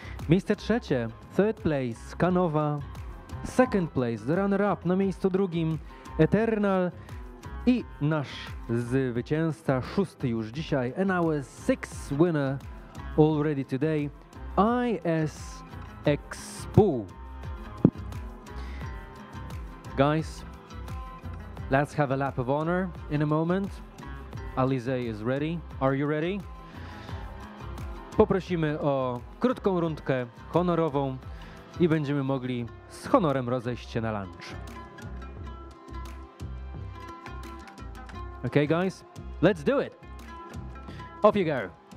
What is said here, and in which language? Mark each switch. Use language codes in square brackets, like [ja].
[pl] Miejsce trzecie, [en] third place, Kanowa. Second place, the runner-up, [pl] na miejscu drugim, [en] Eternal. [pl] I nasz zwycięzca, szósty już dzisiaj, [en] and our sixth winner already today, IS Expo. Guys, let's have a lap of honor in a moment. Alize is ready. Are you ready? [pl] Poprosimy o krótką rundkę honorową i będziemy mogli z honorem rozejść się na lunch. [en] Okay, guys, let's do it. Off you go.